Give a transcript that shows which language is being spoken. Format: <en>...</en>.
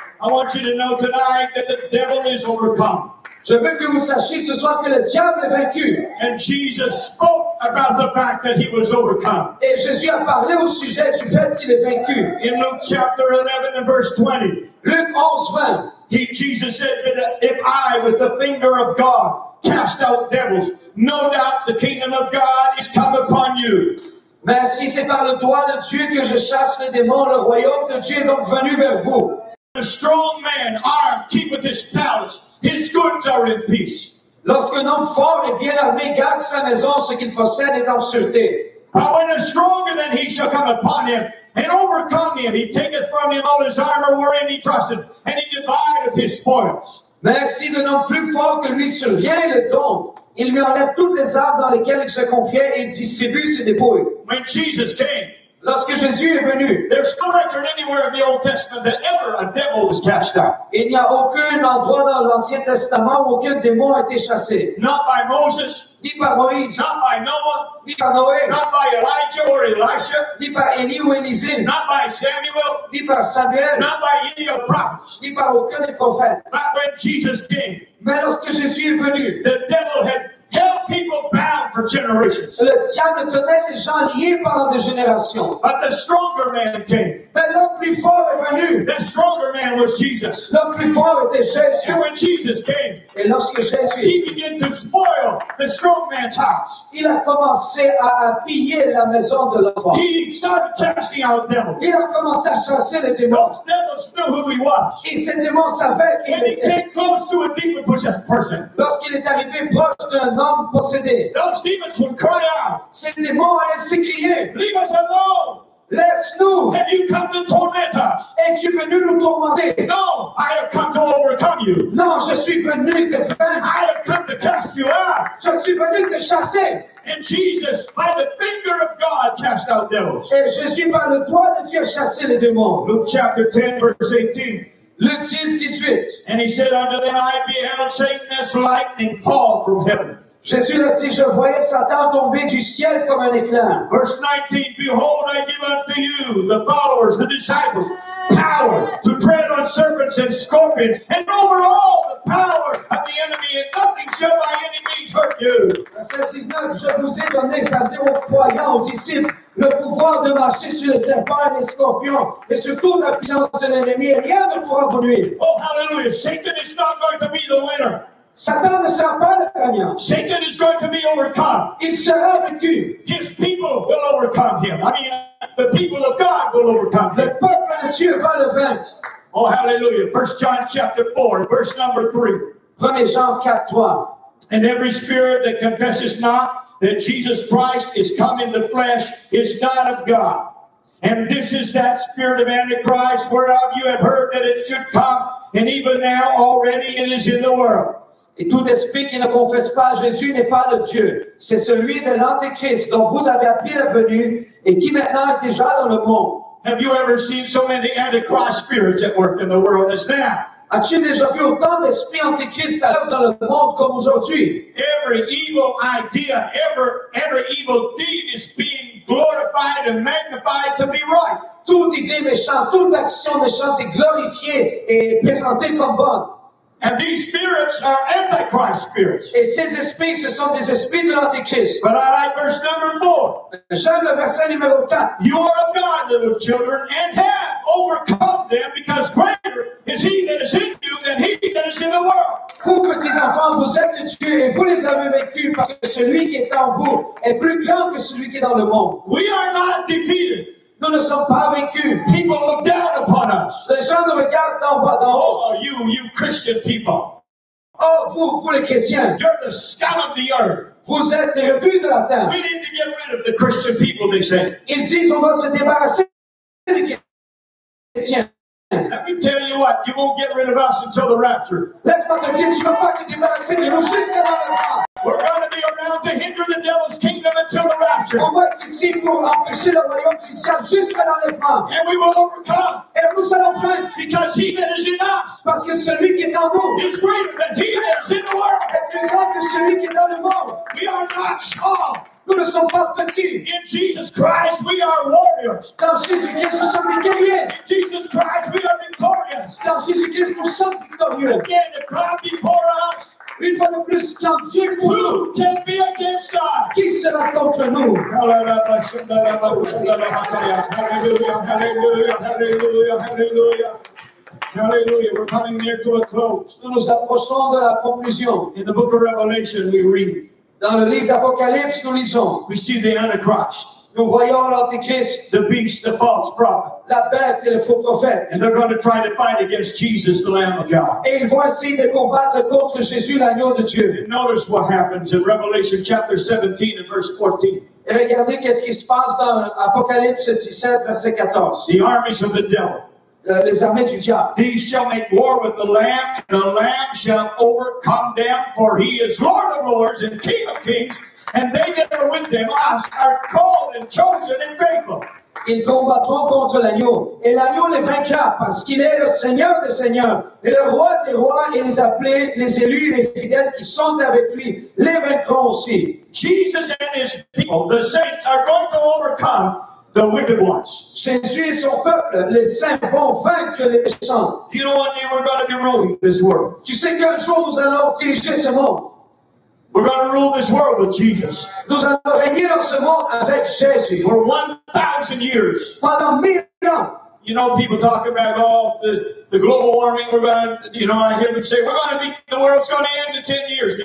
<en>I want you to know tonight that the devil is overcome.</en> <fr>Je veux que vous sachiez ce soir que le diable est vaincu.</fr> <en>And Jesus spoke about the fact that he was overcome.</en> <fr>Et Jésus a parlé au sujet du fait qu'il est vaincu.</fr> <en>In Luke chapter 11 and verse 20,</en> <fr>Luc 11, 20.</fr> <en>Jesus said, if I with the finger of God cast out devils, no doubt the kingdom of God is come upon you.</en> <fr>Mais si c'est par le doigt de Dieu que je chasse les démons, le royaume de Dieu est donc venu vers vous.</fr> <en>A strong man armed keepeth his palace, his goods are in peace.</en> <fr>Lorsqu'un homme fort et bien armé garde sa maison, ce qu'il possède est en sûreté.</fr> <en>But when a stronger than he shall come upon him and overcome him, he taketh from him all his armor wherein he trusted, and he divideth his spoils.</en> <fr>Mais si un homme plus fort que lui survient et le dompte, il lui enlève toutes les armes dans lesquelles il se confiait et il distribue ses dépouilles.</fr> <en>When Jesus came,</en> <fr>lorsque Jésus est venu,</fr> <en>there's no record anywhere in the Old Testament that ever a devil was cast out.</en> <fr>Il n'y a aucun endroit dans l'Ancien Testament où aucun démon a été chassé.</fr> <en>Not by Moses.</en> <fr>Ni par Moïse.</fr> <en>Not by Noah.</en> <fr>Ni par Noé.</fr> <en>Not by Elijah or Elisha.</en> <fr>Ni par Élie ou Élisée.</fr> <en>Not by Samuel.</en> <fr>Ni par Samuel.</fr> <en>Not by any of prophets.</en> <fr>Ni par aucun des prophètes.</fr> <en>But when Jesus came,</en> <fr>mais lorsque Jésus est venu,</fr> <en>the devil had held people bound for generations.</en> <fr>Le diable tenait les gens liés pendant des générations.</fr> <en>But the stronger man came.</en> <fr>Mais l'homme plus fort est venu.</fr> <en>The stronger man was Jesus.</en> <fr>L'homme plus fort était Jésus.</fr> <en>And when Jesus came,</en> <fr>et lorsque Jésus,</fr> <en>he began to spoil the strong man's house.</en> <fr>Il a commencé à piller la maison de l'homme fort.</fr> <en>He started casting out devils.</en> <fr>Il a commencé à chasser les démons.</fr> <en>Those devils knew who he was.</en> <fr>Et ces démons savaient qui il était.</fr> <en>When he came close to a demon possessed person.</en> <fr>Lorsqu'il est arrivé proche d'un homme possédé.</fr> <en>Those demons would cry out.</en> <fr>Ces démons allaient s'écrier.</fr> <en>Leave us alone.</en> <fr>Laisse-nous.</fr> <en>Have you come to torment us?</en> <fr>Es-tu venu nous tourmenter?</fr> <en>No, I have come to overcome you.</en> <fr>Non, je suis venu te vaincre.</fr> <en>I have come to cast you out.</en> <fr>Je suis venu te chasser.</fr> <en>And Jesus, by the finger of God, cast out devils.</en> <fr>Et Jésus, par le doigt de Dieu, a chassé les démons.</fr> <en>Luke chapter 10, verse 18.</en> <fr>Luke 10, 18.</fr> <en>And he said unto them, I beheld Satan as lightning fall from heaven.</en> <fr>Jésus a dit, je voyais Satan tomber du ciel comme un éclair.</fr> <en>Verse 19, behold, I give unto you, the followers, the disciples, power to tread on serpents and scorpions, and over all the power of the enemy, and nothing shall by any means hurt you.</en> <fr>Verset 19, je vous ai donné, ça dit aux croyants, aux disciples, le pouvoir de marcher sur les serpents et les scorpions, et surtout la puissance de l'ennemi, rien ne pourra vous nuire.</fr> <en>Oh, hallelujah, Satan is not going to be the winner.</en> <fr>Satan ne sera pas le gagnant.</fr> <en>Satan is going to be overcome.</en> <fr>Il sera vaincu.</fr> <en>His people will overcome him. I mean, the people of God will overcome him.</en> <fr>Le peuple de Dieu va le vaincre.</fr> <en>Oh, hallelujah. 1 John chapter 4, verse number 3.</en> <fr>1 Jean 4, 3.</fr> <en>And every spirit that confesses not that Jesus Christ is come in the flesh is not of God. And this is that spirit of Antichrist whereof you have heard that it should come, and even now already it is in the world.</en> <fr>Et tout esprit qui ne confesse pas Jésus n'est pas de Dieu. C'est celui de l'Antéchrist dont vous avez appris la venue et qui maintenant est déjà dans le monde.</fr> <en>Have you ever seen so many Antichrist spirits at work in the world as now?</en> <fr>As-tu déjà vu autant d'esprits antichrist à l'œuvre dans le monde comme aujourd'hui?</fr> <en>Every evil idea, every evil deed is being glorified and magnified to be right.</en> <fr>Toute idée méchante, toute action méchante est glorifiée et présentée comme bonne.</fr> <en>And these spirits are Antichrist spirits.</en> <fr>Et ces esprits, ce sont des esprits de l'Antichrist.</fr> <en>But I like verse number 4.</en> <fr>J'aime le verset numéro 4.</fr> <en>You are of God, little children, and have overcome them, because greater is he that is in you than he that is in the world.</en> <fr>Vous, petits enfants, vous êtes de Dieu, et vous les avez vaincus, parce que celui qui est en vous est plus grand que celui qui est dans le monde.</fr> <en>We are not defeated.</en> <fr>Nous ne sommes pas vaincus.</fr> <en>People look down upon us.</en> <fr>Les gens nous regardent d'en bas d'en haut.</fr> <en>Oh, you Christian people.</en> <fr>Oh, vous les chrétiens.</fr> <en>You're the scum of the earth.</en> <fr>Vous êtes les rebuts de la terre.</fr> <en>We need to get rid of the Christian people, they say.</en> <fr>Ils disent, on va se débarrasser des chrétiens.</fr> <en>Let me tell you what, you won't get rid of us until the rapture.</en> <fr>Laisse-moi te dire, tu ne vas pas te débarrasser de nous jusqu'à la mort.</fr> <en>We're going to be around to hinder the devil's kingdom until the rapture.</en> <fr>On va être ici pour empêcher le royaume du ciel jusqu'à l'enlèvement.</fr> <en>And we will overcome.</en> <fr>Et nous serons vaincus.</fr> <en>Because he that is in us.</en> <fr>Parce que celui qui est en nous.</fr> <en>Is greater than he that is in the world.</en> <fr>Et plus grand que celui qui est dans le monde.</fr> <en>We are not small.</en> <fr>Nous ne sommes pas petits.</fr> <en>Christ, we are warriors.</en> <fr>Dans Jésus-Christ, nous sommes guerriers.</fr> <en>In Jesus Christ, we are victorious.</en> <fr>Dans Jésus-Christ, nous sommes victorieux.</fr> <en>Again, the crowd before us.</en> <fr>Une fois de plus, quand Dieu pour</fr> <en>nous, who can be against us?</en> <fr>Qui sera contre nous?</fr> <en>Hallelujah, hallelujah, hallelujah, hallelujah. Hallelujah, we're coming near to a close.</en> <fr>Nous nous approchons de la conclusion.</fr> <en>In the book of Revelation, we read.</en> <fr>Dans le livre d'Apocalypse, nous lisons.</fr> <en>We see the Antichrist.</en> <fr>Nous voyons l'Antichrist.</fr> <en>The beast, the false prophet.</en> <fr>La bête et le faux prophète.</fr> <en>And they're going to try to fight against Jesus, the Lamb of God.</en> <fr>Et ils vont essayer de combattre contre Jésus, l'agneau de Dieu.</fr> <en>And notice what happens in Revelation chapter 17 and verse 14.</en> <fr>Et regardez qu'est-ce qui se passe dans Apocalypse 17, verset 14.</fr> <en>The armies of the devil.</en> <fr>Les armées du diable.</fr> <en>These shall make war with the Lamb, and the Lamb shall overcome them, for he is Lord of lords and King of kings, and they that are with him are called and chosen and faithful.</en> <fr>Ils combattront contre l'agneau, et l'agneau les vaincra, parce qu'il est le Seigneur des Seigneurs, et le roi des rois, et les appelés, les élus, les fidèles qui sont avec lui, les vaincront aussi.</fr> <en>Jesus and his people, the saints, are going to overcome the wicked ones.</en> <fr>Jésus et son peuple, les saints, vont vaincre les méchants.</fr> <en>You know one day we're going to be ruling this world.</en> <fr>Tu sais qu'un jour nous allons diriger ce monde.</fr> <en>We're going to rule this world with Jesus.</en> <fr>Nous allons régner dans ce monde avec Jésus.</fr> <en>For 1,000 years.</en> <fr>Pendant 1,000 ans.</fr> <en>You know, people talk about the global warming. We're going to, you know, I hear them say, we're going to be, the world's going to end in 10 years.</en>